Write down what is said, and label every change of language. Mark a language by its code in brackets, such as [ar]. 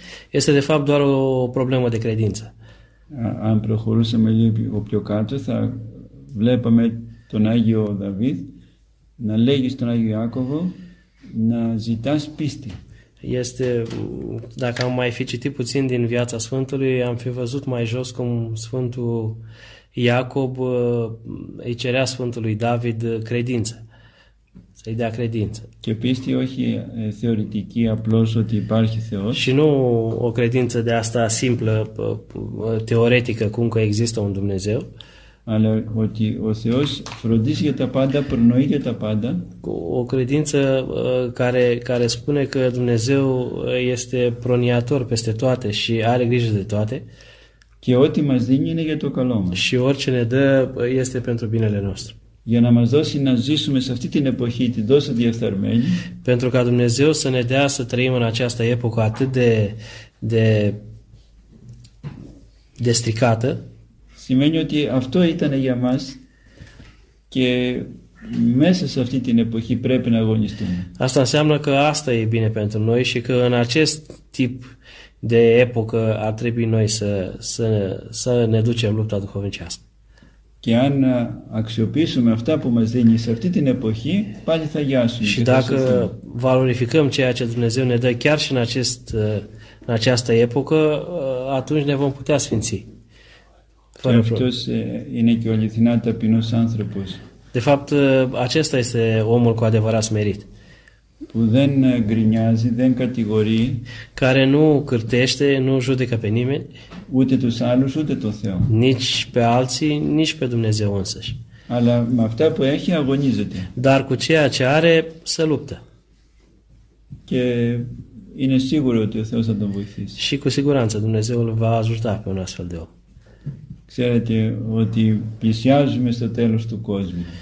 [ro] Este de fapt doar o problemă de credință. [el] Am προχωρούσαμε λίγο πιο κάτω, θα βλέπαμε τον Άγιο David να λέγει στον Άγιο Ιάκωβο να ζητάς πίστη. [ro] Este, dacă am mai fi citit puțin din viața Sfântului, am fi văzut mai jos cum Sfântul Iacob îi cerea Sfântului David credință, să-i dea credință. [el] Και πίστη όχι θεωρητική, απλώς ότι υπάρχει Θεός. [ro] Și nu o credință de asta simplă, teoretică, cum că există un Dumnezeu. [el] Αλλά ότι ο Θεός φροντίζει για τα πάντα, προνοεί για τα πάντα. [ro] O credință care, care spune că Dumnezeu este προνοιατόρ peste toate și are grijă de toate. [el] Και ό,τι μας δίνει είναι για το καλό μας. [ro] Și orice ne dă este pentru binele nostru. [el] Για να μας δώσει να ζήσουμε σε αυτή την εποχή την τόσο διεφθαρμένη. [ro] Pentru ca Dumnezeu să ne dea să trăim în această epocă atât de, de, de stricată. [el] Σημαίνει ότι αυτό ήταν για μας και μέσα σε αυτή την εποχή πρέπει να αγωνιστούμε. [ro] Asta înseamnă că asta e bine pentru noi și că în acest tip de epocă ar trebui noi să, să, să ne ducem lupta duhovnicească. [el] Και αν αξιοποιήσουμε αυτά που μας δίνει σε αυτή την εποχή, πάλι θα γιάσουμε. [ro] Și dacă valorificăm ceea ce Dumnezeu ne dă chiar și în, acest, în această epocă, atunci ne vom putea sfinți. [el] Αυτός είναι και ο αληθινά ταπεινός άνθρωπος. [ro] De fapt, acesta este omul cu adevărat smerit. [el] Που δεν γκρινιάζει, δεν κατηγορεί. [ro] Care nu cârtește, nu judecă pe nimeni. [el] Ούτε τους άλλους, ούτε τον Θεό. [ro] Nici pe alții, nici πε Dumnezeu însăși. [el] Αλλά με αυτά που έχει αγωνίζεται. [ro] Dar cu ceea ce are, se luptă. [el] Και είναι σίγουρο ότι ο Θεός θα τον βοηθήσει. [ro] Și cu siguranță Dumnezeu îl va ajuta pe un astfel de om. [el] Ξέρετε ότι πλησιάζουμε στο τέλος του κόσμου.